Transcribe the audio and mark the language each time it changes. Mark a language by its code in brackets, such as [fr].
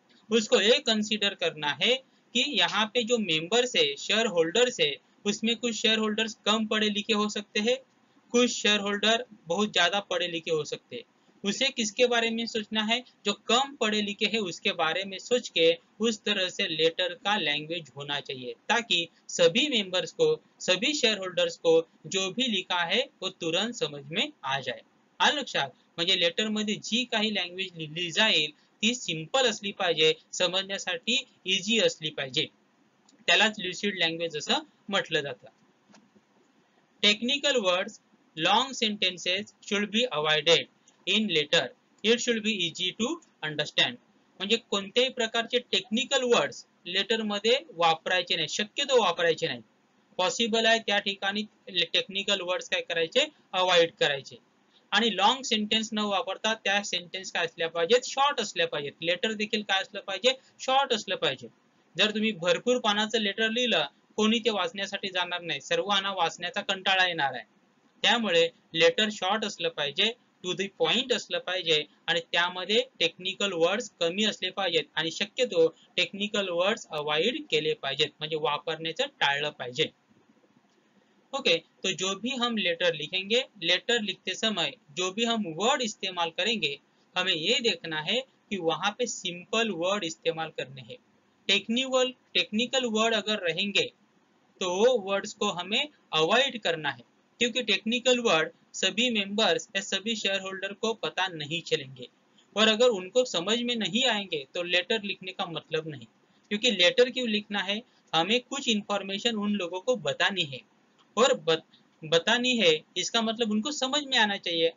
[hi] उसको ये कंसीडर करना है कि यहाँ पे जो मेंबर्स है, शेयर होल्डर्स है, उसमें कुछ शेयर होल्डर्स कम पढ़े लिखे हो सकते हैं, कुछ शेयर होल्डर बहुत ज्यादा पढ़े लिखे हो सकते हैं। उसे किसके बारे में सोचना है, जो कम पढ़े लिखे है उसके बारे में सोच के उस तरह से लेटर का लैंग्वेज होना चाहिए, ताकि सभी मेंबर्स को, सभी शेयर होल्डर्स को जो भी लिखा है वो तुरंत समझ में आ जाए। [mr] अलक्षात म्हणजे लेटर मध्ये जी काही लैंग्वेज लिखी जाईल ती सिंपल असली पाहिजे, समजण्यासाठी इजी असली पाहिजे, त्यालाच लुसिड लैंग्वेज असं म्हटलं जातं। [en] Technical words, long sentences should be avoided in letter, it should be easy to understand. [mr] म्हणजे कोणत्याही प्रकारचे टेक्निकल वर्ड्स लेटर मध्ये वापरायचे नाही, शक्यतो वापरायचे नाही, पॉसिबल आहे त्या ठिकाणी टेक्निकल वर्ड्स काय करायचे, अवॉइड करायचे। आणि लॉन्ग सेंटेन्स न वापरता त्या सेंटेन्स काय असल्या पाहिजेत, शॉर्ट असल्या पाहिजेत, लेटर देखील काय असलं पाहिजे, शॉर्ट असलं पाहिजे। जर तुम्ही भरपूर पानाचं लेटर लिहिलं कोणी ते वाचण्यासाठी जाणार नाही, सर्वांना वाचण्याचा कंटाळा येणार आहे, त्यामुळे लेटर शॉर्ट असलं पाहिजे, [en] to the point [mr] असलं पाहिजे आणि त्यामध्ये टेक्निकल वर्ड्स कमी असले पाहिजेत आणि शक्यतो टेक्निकल वर्ड्स अवॉइड केले पाहिजेत, म्हणजे वापरण्याचं टाळलं पाहिजे। [hi] ओके, तो जो भी हम लेटर लिखेंगे, लेटर लिखते समय जो भी हम वर्ड इस्तेमाल करेंगे हमें ये देखना है कि वहां पे सिंपल वर्ड इस्तेमाल करने हैं। टेक्निकल वर्ड अगर रहेंगे तो वो वर्ड्स को हमें अवॉइड करना है, क्योंकि टेक्निकल वर्ड सभी मेंबर्स या सभी शेयर होल्डर को पता नहीं चलेंगे, और अगर उनको समझ में नहीं आएंगे तो लेटर लिखने का मतलब नहीं, क्योंकि लेटर क्यों लिखना है, हमें कुछ इंफॉर्मेशन उन लोगों को बतानी है, और बतानी है इसका मतलब उनको समझ में आना चाहिए।